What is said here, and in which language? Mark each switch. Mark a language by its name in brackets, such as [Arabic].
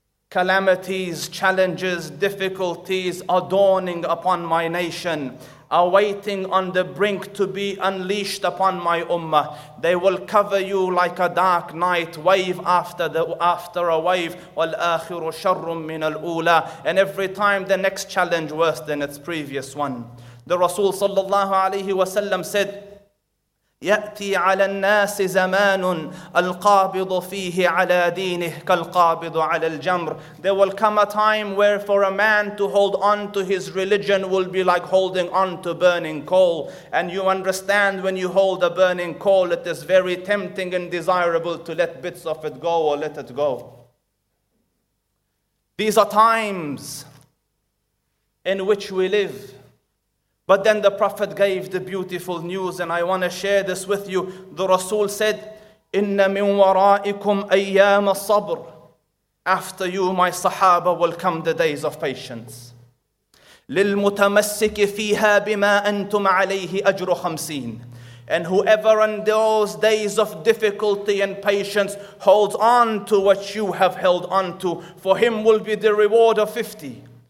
[English] Calamities, challenges, difficulties are dawning upon my nation. are waiting on the brink to be unleashed upon my ummah. They will cover you like a dark night, wave after a wave. [Arabic] وَالْآخِرُ شَرٌّ مِّنَ الْأُولَى. [English] And every time the next challenge worse than its previous one. The Rasul sallallahu alayhi wa sallam said, [Arabic] يَأْتِي عَلَى النَّاسِ زَمَانٌ الْقَابِضُ فِيهِ عَلَى دِينِهِ كَالْقَابِضُ عَلَى الْجَمْرِ. [English] There will come a time where for a man to hold on to his religion will be like holding on to burning coal. And you understand when you hold a burning coal, it is very tempting and desirable to let bits of it go or let it go. These are times in which we live. But then the Prophet gave the beautiful news, and I want to share this with you. The Rasul said, [Arabic] إِنَّ مِنْ وَرَائِكُمْ أَيَّامَ الصَّبْرِ. [English] After you, my Sahaba, will come the days of patience. [Arabic] لِلْمُتَمَسِّكِ فِيهَا بِمَا أَنْتُمْ عَلَيْهِ أَجْرُ خَمْسِينَ. [English] And whoever endures days of difficulty and patience holds on to what you have held on to, for him will be the reward of 50.